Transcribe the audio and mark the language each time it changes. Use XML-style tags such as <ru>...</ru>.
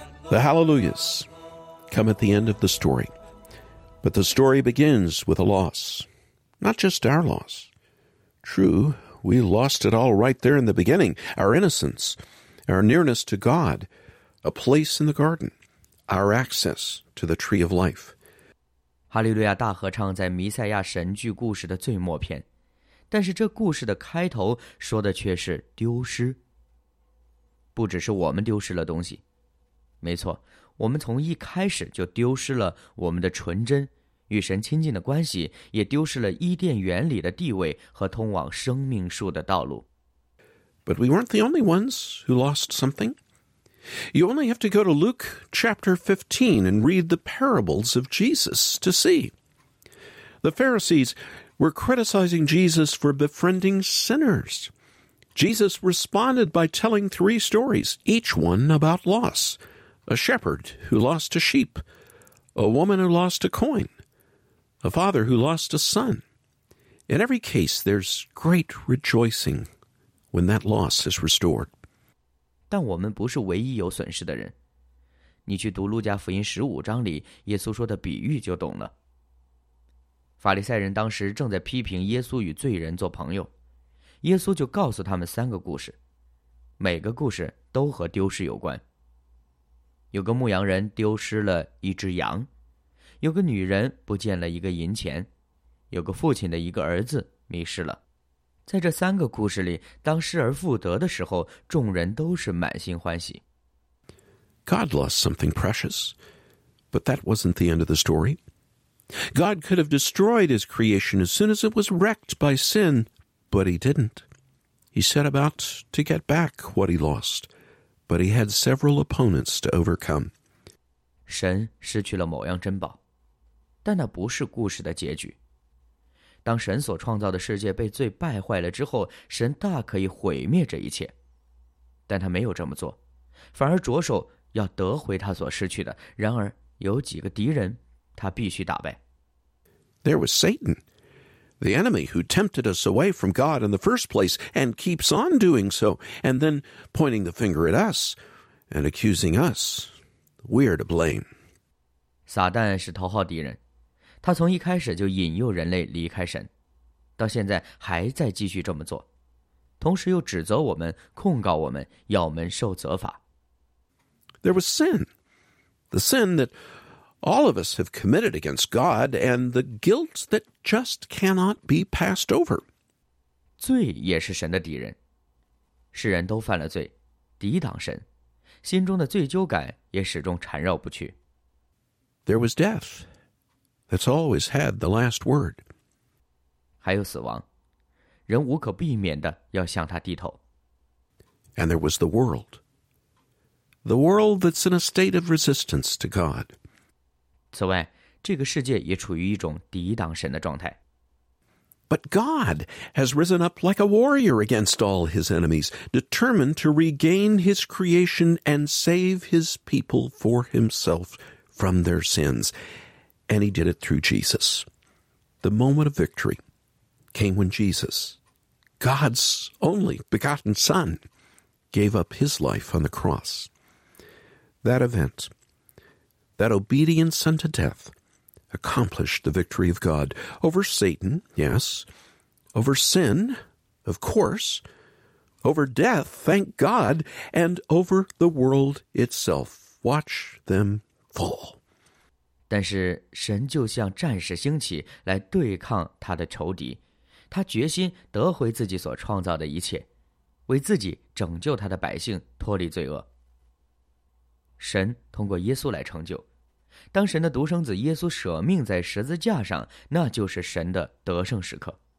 <en>The Hallelujahs come at the end of the story. But the story begins with a loss. Not just our loss. True, we lost it all right there in the beginning. Our innocence, our nearness to God, a place in the garden, our access to the tree of life.</en> <zh>哈利路亚大合唱在弥赛亚神剧故事的最末篇，但是这故事的开头说的却是丢失。不只是我们丢失了东西，没错，我们从一开始就丢失了我们的纯真，与神亲近的关系，也丢失了伊甸园里的地位和通往生命树的道路。</zh> <en>But we weren't the only ones who lost something. You only have to go to Luke chapter 15 and read the parables of Jesus to see. The Pharisees were criticizing Jesus for befriending sinners. Jesus responded by telling three stories, each one about loss. A shepherd who lost a sheep, a woman who lost a coin, a father who lost a son. In every case, there's great rejoicing when that loss is restored.</en> <zh>但我们不是唯一有损失的人。你去读路加福音十五章里耶稣说的比喻就懂了。法利赛人当时正在批评耶稣与罪人做朋友，耶稣就告诉他们三个故事，每个故事都和丢失有关。有个牧羊人丢失了一只羊，有个女人不见了一个银钱，有个父亲的一个儿子迷失了。在这三个故事里，当失而复得的时候，众人都是满心欢喜。</zh> <en>God lost something precious, but that wasn't the end of the story. God could have destroyed his creation as soon as it was wrecked by sin, but he didn't. He set about to get back what he lost. But he had several opponents to overcome.</en> <zh>神失去了某样珍宝，但那不是故事的结局。当神所创造的世界被罪败坏了之后，神大可以毁灭这一切，但他没有这么做，反而着手要得回他所失去的。然而，有几个敌人，他必须打败。</zh> <en>There was Satan, the enemy who tempted us away from God in the first place and keeps on doing so, and then pointing the finger at us and accusing us. We are to blame.</en> <zh>撒旦是头号敌人，他从一开始就引诱人类离开神，到现在还在继续这么做，同时又指责我们，控告我们，要我们受责罚。</zh> <en>There was sin, the sin that... All of us have committed against God, and the guilt that just cannot be passed over.</en> <zh>罪也是神的敌人。世人都犯了罪，抵挡神，心中的罪疚感也始终缠绕不去。</zh> <en>There was death. That's always had the last word.</en> <zh>还有死亡，人无可避免的要向他低头。</zh> <en>And there was the world. The world that's in a state of resistance to God.</en> <zh>此外，这个世界也处于一种抵挡神的状态。</zh> <en>But God has risen up like a warrior against all his enemies, determined to regain his creation and save his people for himself from their sins. And he did it through Jesus. The moment of victory came when Jesus, God's only begotten Son, gave up his life on the cross. That event... That obedience unto death accomplished the victory of God over Satan, yes, over sin, of course, over death, thank God, and over the world itself. Watch them fall.</en> <zh>但是神就像战士兴起来对抗他的仇敌，他决心得回自己所创造的一切，为自己拯救他的百姓脱离罪恶。神通过耶稣来成就。当神的独生子耶稣舍命在十字架上，那就是神的得胜时刻。</zh>